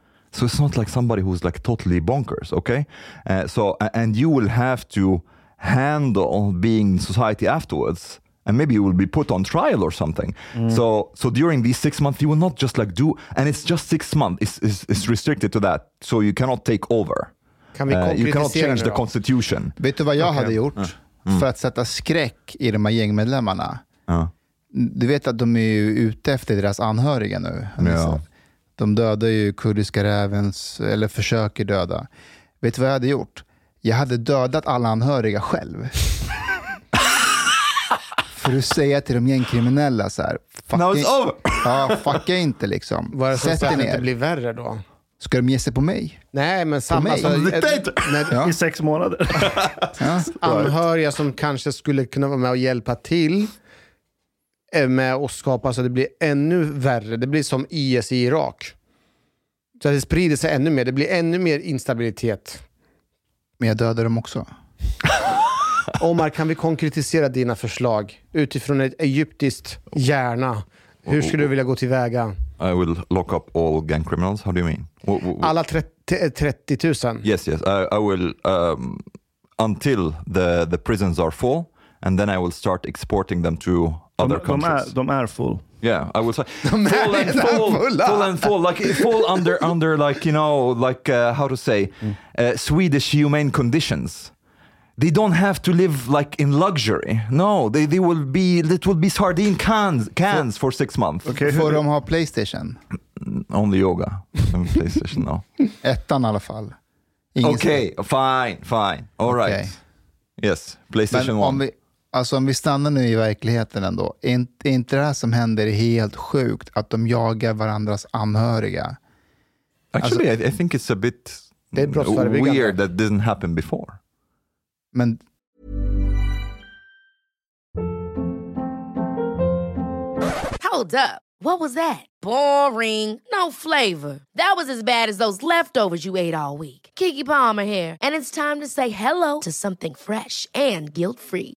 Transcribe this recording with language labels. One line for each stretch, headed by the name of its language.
English: So it's not like somebody who's like totally bonkers, okay? And you will have to handle being society afterwards. And maybe you will be put on trial or something. So during these 6 months, you will not just like do, and it's just 6 months, it's restricted to that. So you cannot take over. You cannot change the constitution.
Swedish: Vet du vad jag hade gjort? För att sätta skräck i de här gängmedlemmarna. Du vet att de är ju ute efter deras anhöriga nu. De dödar ju kurdiska rävens, eller försöker döda. Vet du vad jag hade gjort? Jag hade dödat alla anhöriga själv. För att säga till de gängkriminella så här,
English: fucka, now it's over.
Swedish: Ja, fucka inte liksom. Var det så att det inte blir värre då? Ska de ge sig på mig? Nej, men samma som alltså, ja. I 6 månader. Ja. Anhöriga som kanske skulle kunna vara med och hjälpa till med att skapa så det blir ännu värre. Det blir som IS i Irak. Så att det sprider sig ännu mer. Det blir ännu mer instabilitet. Men jag dödar dem också. Omar, kan vi konkretisera dina förslag utifrån ett egyptiskt hjärna? Hur skulle du vilja gå tillväga?
English: I will lock up all gang criminals. How do you mean?
Swedish: Alla 30,000?
English: Yes. I will until the prisons are full, and then I will start exporting them to other countries.
Swedish: De är full.
English: Yeah, I will say full and full, like full under, like, you know, like how to say Swedish humane conditions. They don't have to live like in luxury. No, they will be, it will be sardine cans for 6 months.
Swedish: Okay. Får de ha PlayStation?
English: Only yoga. PlayStation, no.
Swedish: Ettan i alla fall. Ingen okay, sådär.
English: Fine. All right. Okay. Yes, PlayStation 1.
Swedish: Om vi stannar nu i verkligheten ändå. Är inte det här som händer helt sjukt att de jagar varandras anhöriga?
English: Actually, alltså, I think it's a bit weird that didn't happen before.
Swedish: Men
English: hold up. What was that? Boring. No flavor. That was as bad as those leftovers you ate all week. Keke Palmer here, and it's time to say hello to something fresh and guilt-free.